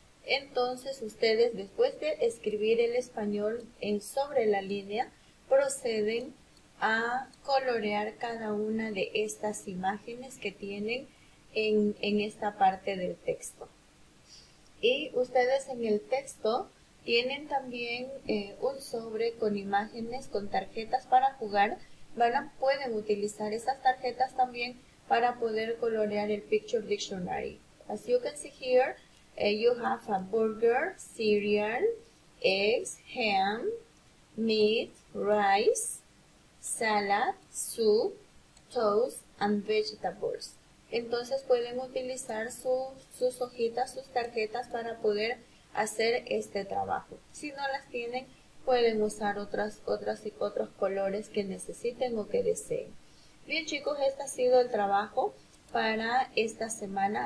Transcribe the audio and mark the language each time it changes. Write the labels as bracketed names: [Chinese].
[Spanish] Entonces, ustedes, después de escribir el español en sobre la línea, proceden a colorear cada una de estas imágenes que tienen en esta parte del texto. Y ustedes en el texto tienen también un sobre con imágenes, con tarjetas para jugar. Pueden utilizar esas tarjetas también para poder colorear el Picture Dictionary. [English] As you can see here, you have a burger, cereal, eggs, ham, meat, rice, salad, soup, toast, and vegetables. [Spanish] Entonces pueden utilizar sus hojitas, sus tarjetas para poder hacer este trabajo. Si no las tienen, pueden usar otras y otros colores que necesiten o que deseen. Bien, chicos, este ha sido el trabajo para esta semana.